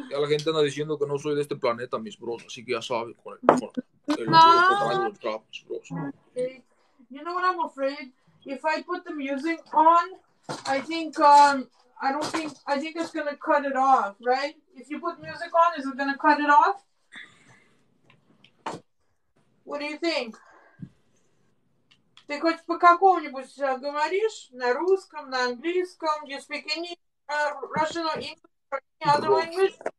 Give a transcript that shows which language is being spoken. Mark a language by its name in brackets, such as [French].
[Spanish] Ya la gente anda diciendo que no soy de este planeta, mis bros, así que ya sabe con el [English] trap, [Spanish] mis bros. [English] You know what I'm afraid? If I put the music on, I think it's gonna cut it off, right? If you put music on, is it gonna cut it off? What do you think? [Russian] Ты хоть по какому-нибудь говоришь? На русском, на английском? [English] You speak any Russian or English or any other language?